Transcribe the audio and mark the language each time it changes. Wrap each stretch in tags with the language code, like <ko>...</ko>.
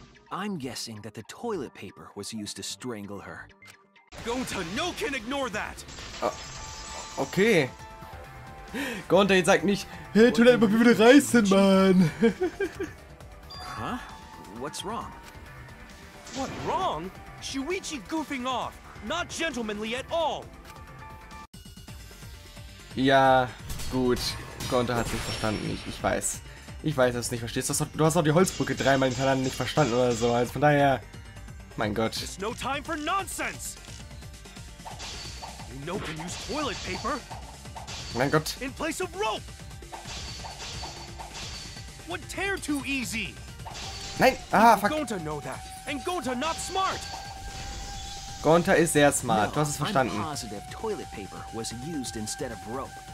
<en>I'm guessing that the toilet paper was used to strangle her. Gonta, no can ignore that! Oh, okay.</en> <de>Gonta, jetzt sag nicht, hey, Toilettenpapier würde reißen, Mann!</de> <en>Huh? What's wrong? What wrong? Shuichi goofing off! Not gentlemanly at all!</en> <de>Ja, gut. Gonta hat's nicht verstanden, ich weiß. Ich weiß, dass du es nicht verstehst. Du hast auch die Holzbrücke dreimal hintereinander nicht verstanden oder so. Also von daher. Mein Gott.</de> <en>It's no time for nonsense! No can use toilet paper.</en> <de>Mein Gott.</de> <en>In place of rope. Would tear too easy.</en> <de>Nein. Ah, fuck.</de> <en>Gonta know that. And Gonta not smart.</en> <de>Gonta ist sehr smart. Du hast es verstanden.</de> <en>I'm positive toilet paper was used instead of rope.</en>